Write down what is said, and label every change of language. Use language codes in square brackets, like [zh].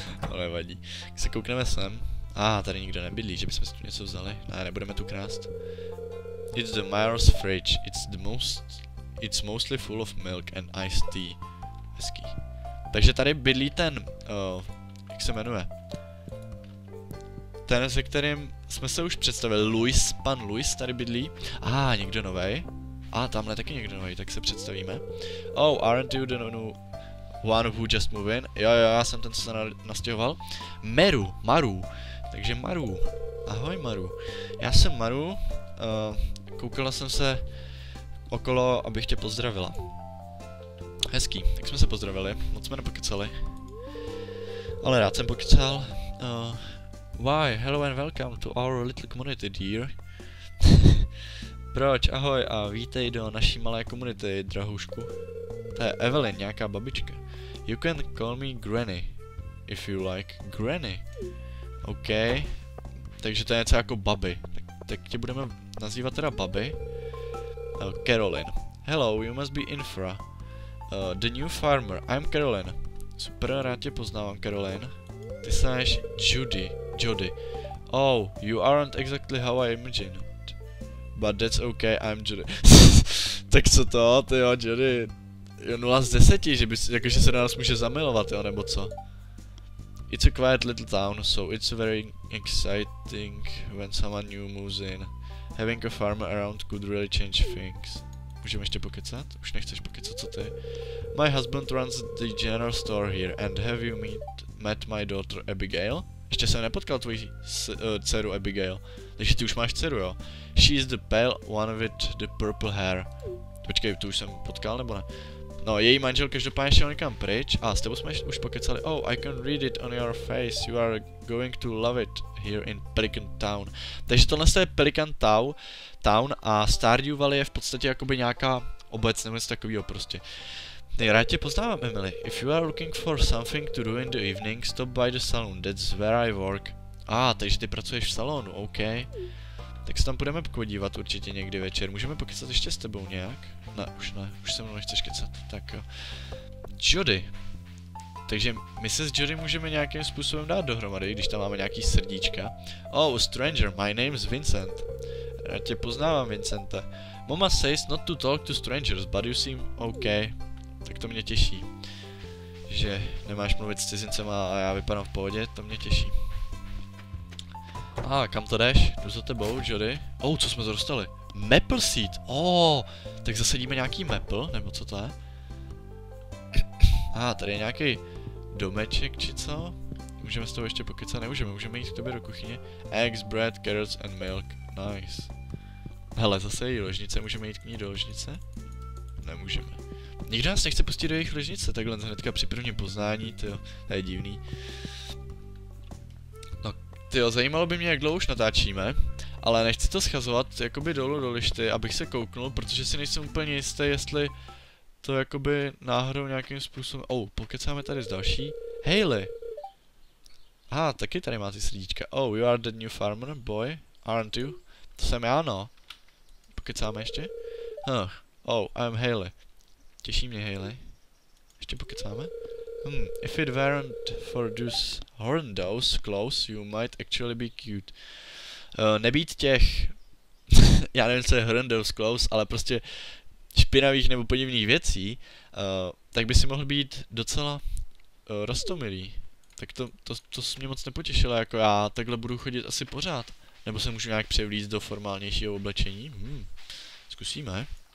[cs] Ale vadí. Když se koukneme sem. Tady nikdo nebydlí, že bychom si tu něco vzali. Nebudeme tu krást. [en] It's the Myers fridge. It's mostly full of milk and iced tea. [cs] Hezký. Takže tady bydlí ten, jak se jmenuje? Ten, se kterým jsme se už představili. Louis, pan Louis tady bydlí. Někdo novej. Tamhle taky někdo novej, tak se představíme. [en] Oh, aren't you the new one who just moved in? [cs] Jo, já jsem ten, co se nastěhoval. Maru. Takže Maru. Ahoj Maru. Já jsem Maru. Koukala jsem se okolo, abych tě pozdravila. Hezký. Tak jsme se pozdravili. Moc jsme nepokecali. Ale rád jsem pokecal. [en] Why? Hello and welcome to our little community, dear. [cs] Proč? Ahoj a vítej do naší malé komunity, drahoušku. To je Evelyn, nějaká babička. [en] You can call me Granny, if you like. [cs] Granny. OK, takže to je něco jako baby. Tak tě budeme nazývat teda baby. [en] Caroline. Hello, you must be Infra. The new farmer, I'm Caroline. [cs] Super, rád tě poznávám, Caroline. Ty seš Judy. [en] Oh, you aren't exactly how I imagined. But that's okay, I'm Judy. [cs] Tak co to, ty jo, Judy. Jo, 0 z 10, že bys, jakože se na nás může zamilovat, jo, nebo co? [en] It's a quiet little town, so it's very exciting when someone new moves in. Having a farmer around could really change things. [cs] Můžeme ještě pokecat? Už nechceš pokecat, co ty? [en] My husband runs the general store here, and have you met my daughter Abigail? [cs] Ještě jsem nepotkal tvoji dceru Abigail. Takže ty už máš dceru, jo? [en] She is the pale one with the purple hair. [cs] Počkej, tu už jsem potkal, nebo ne? No, její manžel každopádně šel někam pryč. S tebou jsme už pokecali. [en] Oh, I can read it on your face. You are going to love it here in Pelican Town. [cs] Takže tohle je Pelican Town a Stardew Valley je v podstatě jakoby nějaká obec, nebo něco takového prostě. Rád tě poznávám, Emily. [en] If you are looking for something to do in the evening, stop by the salon, that's where I work. [cs] Takže ty pracuješ v salonu, OK. Tak se tam půjdeme podívat určitě někdy večer. Můžeme pokecat ještě s tebou nějak? Ne, už se mnou nechceš kecat. Tak jo. Jody. Takže my se s Jody můžeme nějakým způsobem dát dohromady, když tam máme nějaký srdíčka. [en] Oh, stranger, my name's Vincent. [cs] Rád tě poznávám, Vincente. [en] Mama says not to talk to strangers, but you seem OK. [cs] Tak to mě těší, že nemáš mluvit s cizincema a já vypadám v pohodě, to mě těší. Kam to jdeš? Jdu za tebou, Jody. Co jsme zrostali? [en] Maple seed! [cs] Tak zasadíme nějaký maple, nebo co to je? Tady je nějaký domeček, či co? Můžeme s toho ještě pokecat? Nemůžeme, můžeme jít k tobě do kuchyně. [en] Eggs, bread, carrots and milk. Nice. [cs] Hele, zase její ložnice, můžeme jít k ní do ložnice? Nemůžeme. Nikdo nás nechce pustit do jejich ložnice, takhle hnedka při prvním poznání, tyjo, to je divný. No, tyjo, zajímalo by mě, jak dlouho už natáčíme, ale nechci to schazovat, jakoby dolů do lišty, abych se kouknul, protože si nejsem úplně jistý, jestli to jakoby náhodou nějakým způsobem... pokecáme tady s další. Hayley! Taky tady má ty srdíčka. [en] You are the new farmer, boy, aren't you? [cs] To jsem já, no. Pokecáme ještě? [en] I'm Hayley. [cs] Těší mě, Hayley. Ještě pokecáme? [en] If it weren't for those horrendous clothes, you might actually be cute. [cs] Nebýt těch... já nevím, co je [en] horrendous clothes, [cs] ale prostě špinavých nebo podivných věcí, tak by si mohl být docela roztomilý. Tak to se mě moc nepotěšilo, jako já takhle budu chodit asi pořád. Nebo se můžu nějak převlíct do formálnějšího oblečení? Zkusíme.